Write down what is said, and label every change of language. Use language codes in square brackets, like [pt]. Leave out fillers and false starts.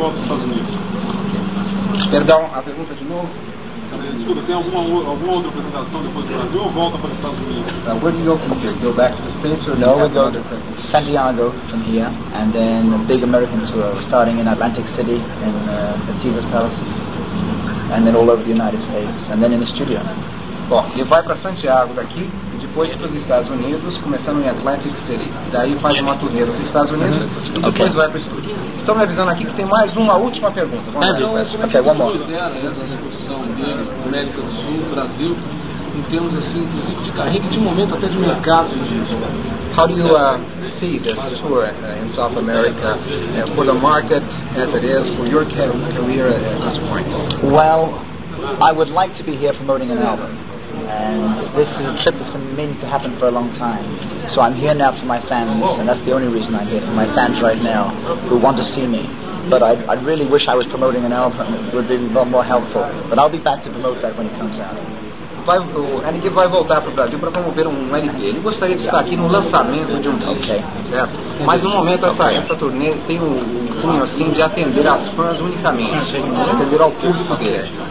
[pt] Escuta, vai ter algum outro passo depois do Brasil ou volta para os Estados Unidos? Perdão, a pergunta é de novo. Escuta, tem alguma outra apresentação depois do Brasil ou volta para os Estados Unidos? [en] Where do you go from here? Go back to the States or no? We go to Santiago from here, and then a big American tour starting in Atlantic City in the Caesar's Palace. and then all over the United States, and then in the studio. [pt] Bom, e vai para Santiago daqui e depois para os Estados Unidos, começando em Atlantic City. Daí faz uma turnê nos Estados Unidos e depois vai para o estúdio. Estão me avisando aqui que tem mais uma última pergunta. Vamos lá. Então, como é que você considera essa execução dele na América do Sul, Brasil, em termos assim, inclusive de carreira e de momento até de mercado disso? How do you see this tour in South America for the market as it is, for your career at this point? Well, I would like to be here promoting an album, and this is a trip that's been meaning to happen for a long time. So I'm here now for my fans, and that's the only reason I'm here, for my fans right now, who want to see me. But I really wish I was promoting an album, it would be a lot more helpful. But I'll be back to promote that when it comes out. Vai, o Henrique vai voltar para o Brasil para promover um LP. Ele gostaria de estar aqui no lançamento de um disco, [en] okay. [pt] Certo? Mas no momento essa turnê tem um cunho assim de atender as fãs unicamente, atender ao público dele.